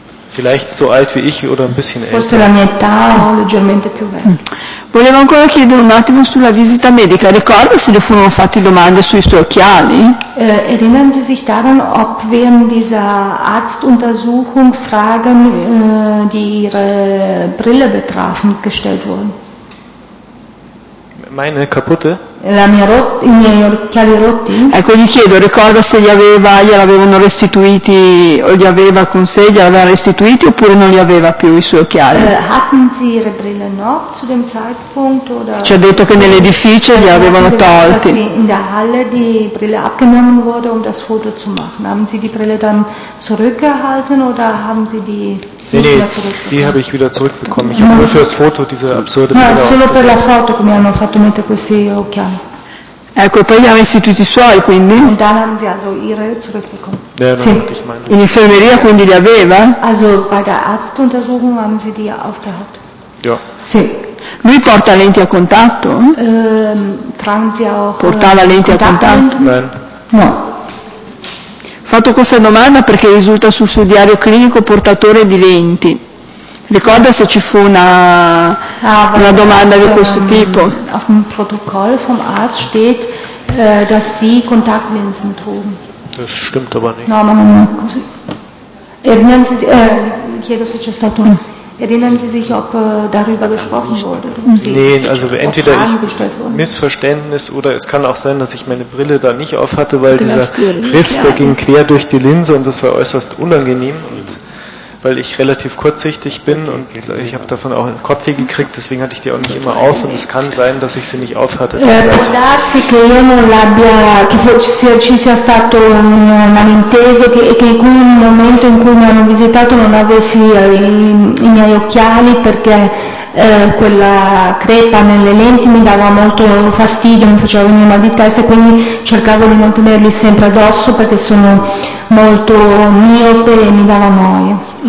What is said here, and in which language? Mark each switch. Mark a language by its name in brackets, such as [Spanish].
[German] Vielleicht so alt wie ich oder ein bisschen [Italian] forse [German] älter. [Italian] La mia età o leggermente più vecchia. Volevo ancora chiedere un attimo sulla visita medica. Ricorda se le furono fatte domande sui suoi occhiali? [German] Erinnern Sie sich daran, ob während dieser Arztuntersuchung Fragen, die Ihre Brille betrafen, gestellt wurden? Meine kaputte? [Italian] La mia i miei occhiali rotti? Ecco, gli chiedo, ricorda se gliel'avevano restituiti, o li aveva con sé, gliel'aveva restituiti, oppure non li aveva più i suoi occhiali? [German] Hatten Sie Ihre Brille noch zu dem Zeitpunkt? Oder [Italian] ci ha detto che nell'edificio li avevano tolti. [German] In der Halle die Brille abgenommen wurde, um das Foto zu machen. Haben Sie die Brille dann zurückgehalten oder haben Sie die Nee, die habe ich wieder zurückbekommen. Ich habe nur für das Foto diese absurde Brille. [Italian] Ma solo per la foto che mi hanno fatto mettere questi occhiali. Ecco, poi gli hanno restituiti i suoi, quindi. [German] Und dann haben sie also ihre zurückbekommen. [Italian] Sì. In infermeria quindi li aveva? [German] Also bei der Arztuntersuchung haben sie die aufgehabt. Ja. [Italian] Sì. Lui porta lenti a contatto? [German] Tragen sie auch. [Italian] Portava lenti a contatto? No. Ho fatto questa domanda perché risulta sul suo diario clinico portatore di lenti. Ricorda se ci fu una domanda di questo tipo? [German] Auf dem Protokoll vom Arzt steht, dass sie Kontaktlinsen trugen. Das stimmt aber nicht. [Italian] No, ma non è così. [German] Erinnern Sie sich, [Italian] chiedo se c'è stato [German] erinnern Sie sich, ob darüber gesprochen wurde? Nee, also entweder ich Missverständnis oder es kann auch sein, dass ich meine Brille da nicht auf hatte, weil dieser Riss, der ging quer durch die Linse und das war äußerst unangenehm, und weil ich relativ kurzsichtig bin und ich habe davon auch einen Kopfweh gekriegt, deswegen hatte ich die auch nicht immer auf und es kann sein, dass ich sie nicht auf hatte. [Italian] Darsi che io non l'abbia, che ci sia stato un malinteso, che in quel momento in cui mi hanno visitato non avessi i miei occhiali perché quella crepa nelle lenti mi dava molto fastidio, mi faceva venire mal di testa e quindi cercavo di mantenerli sempre addosso perché sono molto miope e mi dava noia.